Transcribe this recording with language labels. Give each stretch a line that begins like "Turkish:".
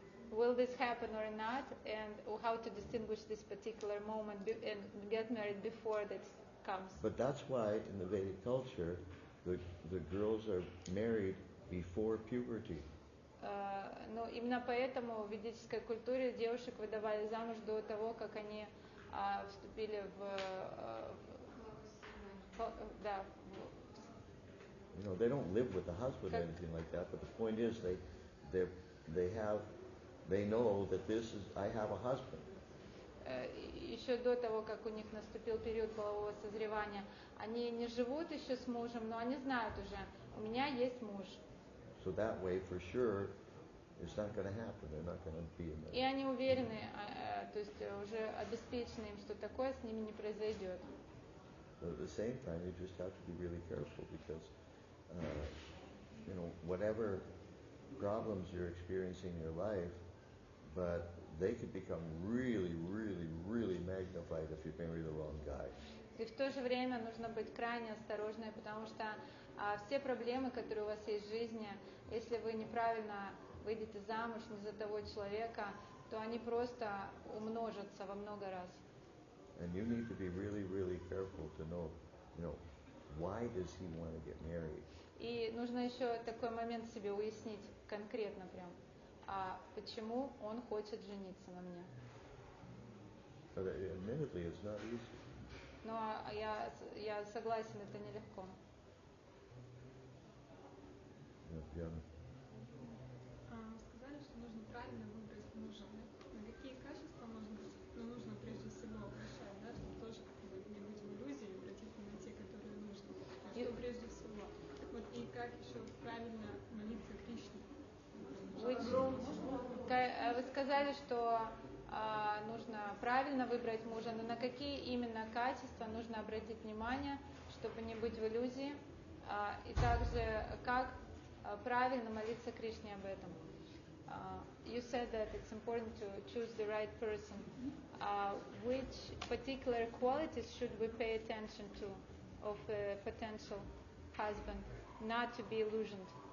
English: Will this happen or not, and how to distinguish this particular moment and get married before that comes. But that's why in the Vedic culture, the girls are married before puberty.
Russian: Но именно поэтому в ведической культуре девушек выдавали замуж до того, как они вступили в да.
English: You know, they don't live with the husband or anything like that, but the point is they know that this is, I have a husband.
Russian: Еще до того, как у них наступил период полового созревания, они не живут еще с мужем, но они знают уже, у меня есть муж.
English: So that way, for sure, it's not going to happen. They're not going to be in the...
Russian: И они уверены, то есть уже обеспечены им, что такое с ними не произойдет.
English: But at the same time, you just have to be really careful because, you know, whatever problems you're experiencing in your life, but they could become really, really, really magnified if you marry the wrong guy.
Russian: И в то же время нужно быть крайне осторожной, потому что все проблемы, которые у вас есть в жизни, если вы неправильно выйдете замуж не за того человека, то они просто умножатся во много раз.
English: And you need to be really, really careful to know, you know, why does he want to get married?
Russian: И нужно еще такой момент себе уяснить конкретно прям, а почему он хочет жениться на мне?
English: Admittedly, it's not easy.
Russian: Но я согласен, это нелегко. Сказали, что нужно правильно выбрать мужа. На какие качества нужно прежде всего обращать, да, чтобы тоже не быть в иллюзии, обратиться на те, которые нужны. А что прежде всего? Вот и как еще правильно молиться Кришне? Вы сказали, что нужно правильно выбрать мужа, но на какие именно качества нужно обратить внимание, чтобы не быть в иллюзии, и также как правильно молиться Кришне об этом.
English: You said that it's important to choose the right person. Which particular qualities should we pay attention to of a potential husband, not to be illusioned?